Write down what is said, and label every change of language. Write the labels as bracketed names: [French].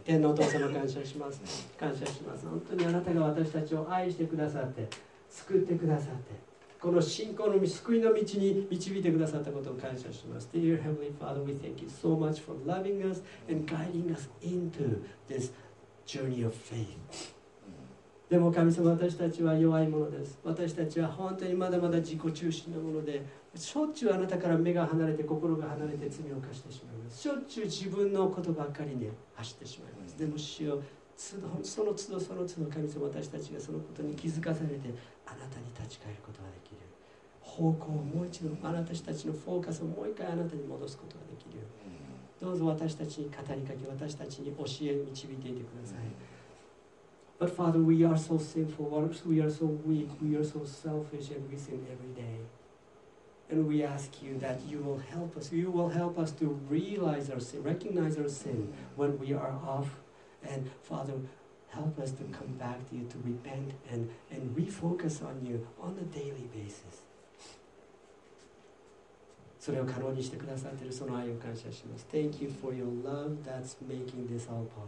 [Japanese] 天のお父様、感謝します。感謝します。本当にあなたが私たちを愛してくださって、救ってくださって、この信仰の救いの道に導いてくださったことを感謝します。 [English] Dear Heavenly Father, we thank you so much for loving us and guiding us into this journey of faith. [Japanese] でも神様、私たちは弱いものです。私たちは本当にまだまだ自己中心なもので、しょっちゅうあなたから目が離れて、心が離れて、罪を犯してしまいます。しょっちゅう自分のことばかりに走ってしまいます。でも主よ、その都度神様、私たちがそのことに気づかされて、あなたに立ち返ることができる方向を、もう一度あなたたちのフォーカスをもう一回あなたに戻すことができる。どうぞ私たちに語りかけ、私たちに教え、導いていてください。 [English] But Father, we are so sinful, we are so weak, we are so selfish, and we sin every day. And we ask you that you will help us. You will help us to realize our sin, recognize our sin when we are off And Father, help us to come back to you, to repent and refocus on you on a daily basis. [Japanese] それを可能にしてくださっているその愛を感謝します。 [English] Thank you for your love that's making this all possible.